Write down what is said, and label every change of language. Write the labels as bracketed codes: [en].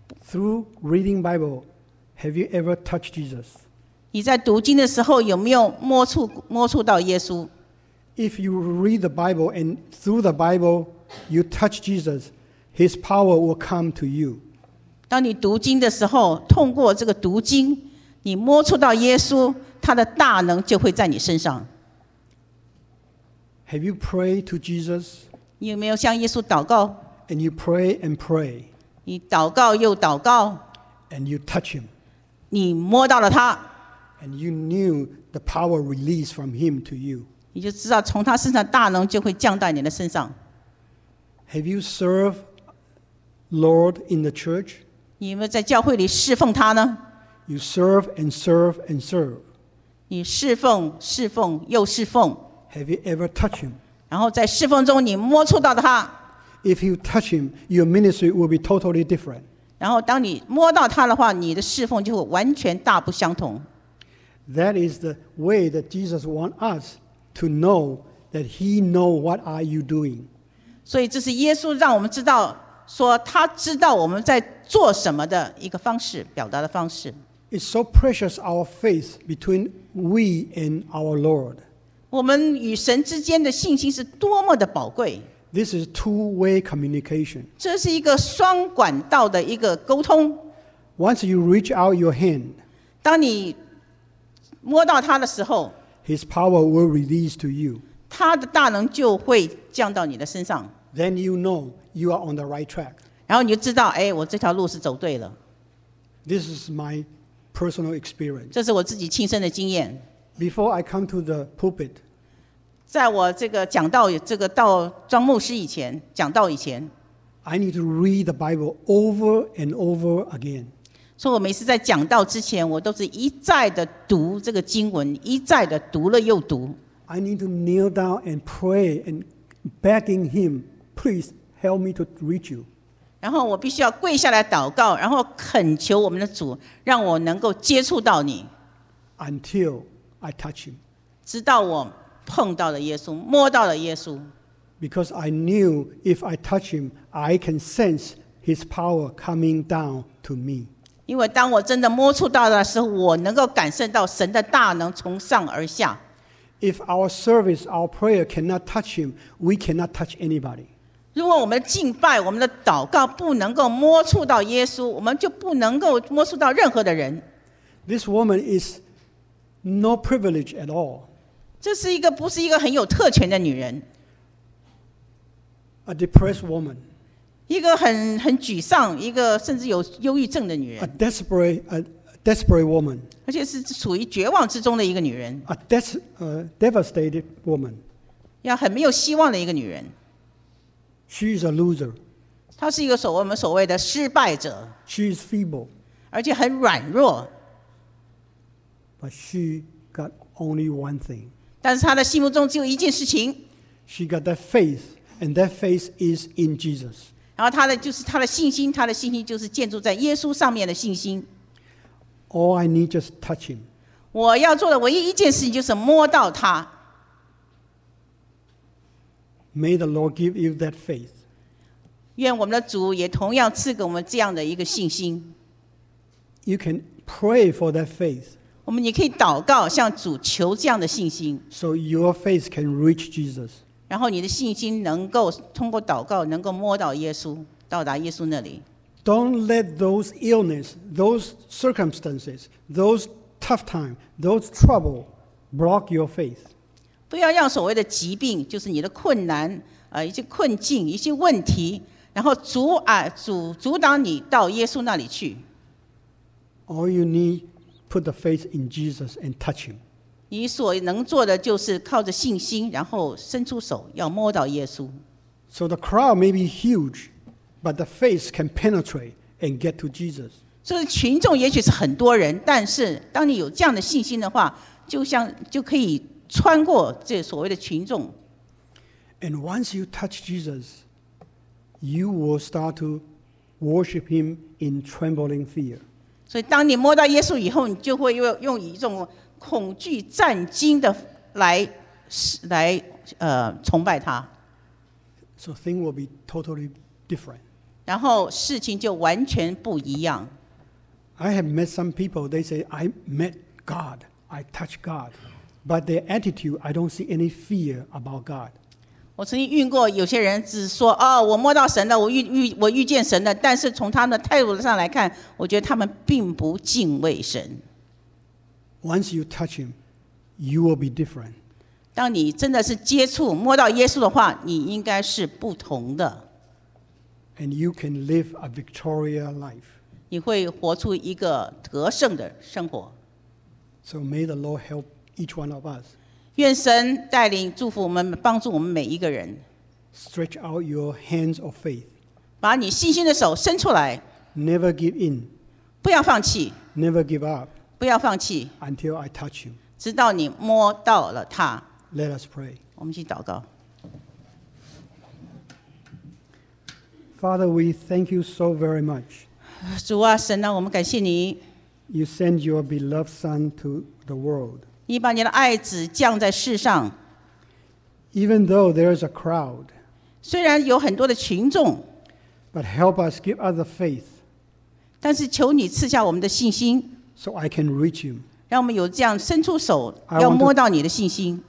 [en] Through reading Bible, have you ever touched Jesus? [zh] 你在读经的时候有没有摸触到耶稣？ [en] If you read the Bible and through the Bible you touch Jesus, his power will come to you. [zh] 当你读经的时候，通过这个读经，你摸触到耶稣，他的大能就会在你身上。 [en] Have you prayed to Jesus? [zh] 你有没有向耶稣祷告？ [en] And you pray and pray. [zh] 你祷告又祷告。 [en] And you touch him. [zh] 你摸到了他。 [en] And you knew the power released from him to you. [zh] 你就知道从他身上大能就会降到你的身上。 [en] Have you served Lord in the church? [zh] 你有没有在教会里侍奉他呢？ [en] You serve and serve and serve. [zh] 你侍奉，侍奉，又侍奉。 [en] Have you ever touched him? [zh] 然后在侍奉中你摸触到他。 [en] If you touch him, your ministry will be totally different. [zh] 然后当你摸到他的话，你的侍奉就会完全大不相同。 [en] That is the way that Jesus wants us to know that he knows what are you doing. [zh] 所以这是耶稣让我们知道，说他知道我们在做什么的一个方式，表达的方式。 [en] It's so precious our faith between we and our Lord. [zh] 我们与神之间的信心是多么的宝贵。 [en] This is two-way communication. [zh] 这是一个双管道的一个沟通。 [en] Once you reach out your hand, [zh] 当你摸到他的时候， [en] His power will release to you. [zh] 他的大能就会降到你的身上。 [en] Then you know you are on the right track. [zh] 然后你就知道，哎，我这条路是走对了。 [en] This is my personal experience. [zh] 这是我自己亲身的经验。 [en] Before I come to the pulpit, [zh] 在我这个讲道，这个到庄牧师以前，讲道以前， [en] I need to read the Bible over and over again. [zh] 所以我每次在讲道之前，我都是一再的读这个经文，一再的读了又读。 [en] I need to kneel down and pray and begging him, please help me to reach you. [zh] 然后我必须要跪下来祷告，然后恳求我们的主，让我能够接触到你。 [en] Until I touch him. [zh] 直到我碰到了耶稣，摸到了耶稣。 [en] Because I knew if I touch him, I can sense his power coming down to me. [zh] 因为当我真的摸触到的时候，我能够感受到神的大能从上而下。 [en] If our service, our prayer cannot touch him, we cannot touch anybody. [zh] 如果我们敬拜，我们的祷告不能够摸触到耶稣，我们就不能够摸触到任何的人。 [en] This woman is no privilege at all. [zh] 这是一个不是一个很有特权的女人。 [en] A depressed woman. [zh] 一个很沮丧，一个甚至有忧郁症的女人。 [en] A desperate woman. [zh] 而且是处于绝望之中的一个女人。 [en] A devastated woman. [zh] 要很没有希望的一个女人。 [en] She is a loser. [zh] 她是一个我们所谓的失败者。 [en] She is feeble. [zh] 而且很软弱。 [en] But she got only one thing. [zh] 但是他的心目中只有一件事情。 [en] She got that faith, and that faith is in Jesus. [zh] 然后他的信心，他的信心就是建筑在耶稣上面的信心。 [en] All I need just touch him. [zh] 我要做的唯一一件事情就是摸到他。 [en] May the Lord give you that faith. [zh] 愿我们的主也同样赐给我们这样的一个信心。 [en] You can pray for that faith. [zh] 我们也可以祷告，向主求这样的信心。 [en] So your faith can reach Jesus. [zh] 然后你的信心能够通过祷告，能够摸到耶稣，到达耶稣那里。 [en] Don't let those illness, those circumstances, those tough times, those trouble block your faith. [zh] 不要让所谓的疾病，就是你的困难，一些困境，一些问题，然后阻挡你到耶稣那里去。 [en] All you need.Put the faith in Jesus and touch him. [zh] 你所能做的就是靠着信心，然后伸出手，要摸到耶稣。 [en] So the crowd may be huge, but the faith can penetrate and get to Jesus. [zh] 所以群众也许是很多人，但是当你有这样的信心的话，就可以穿过这所谓的群众。 [en] And once you touch Jesus, you will start to worship him in trembling fear. [zh] 所以当你摸到耶稣以后，你就会用一种恐惧战惊的来崇拜他。 [en] So things will be totally different. [zh] 然后事情就完全不一样。 [en] I have met some people, they say, I met God, I touched God. But their attitude, I don't see any fear about God. [zh] 我曾经遇过有些人只说、哦、我摸到神了，我遇见神了，但是从他们的态度上来看，我觉得他们并不敬畏神。 [en] Once you touch him, you will be different. [zh] 当你真的是接触摸到耶稣的话，你应该是不同的。 [en] And you can live a victorious life. [zh] 你会活出一个得胜的生活。 [en] So may the Lord help each one of us. [zh] 愿神带领祝福我们，帮助我们每一个人。 [en] Stretch out your hands of faith. [zh] 把你信心的手伸出来。 [en] Never give in. [zh] 不要放弃。 [en] Never give up. [zh] 不要放弃 [en] Until I touch you. [zh] 直到你摸到了他 [en] Let us pray. [zh] 我们一起祷告 [en] Father, we thank you so very much. [zh] 主啊神啊我们感谢你 [en] You send your beloved son to the world. [zh] 你把你的爱子降在世上 [en] Even though there is a crowd. [zh] 虽然有很多的群众 [en] But help us give us the faith. [zh] 但是求你赐下我们的信心 [en] So I can reach him. [zh] 让我们有这样伸出手，要摸到你的信心。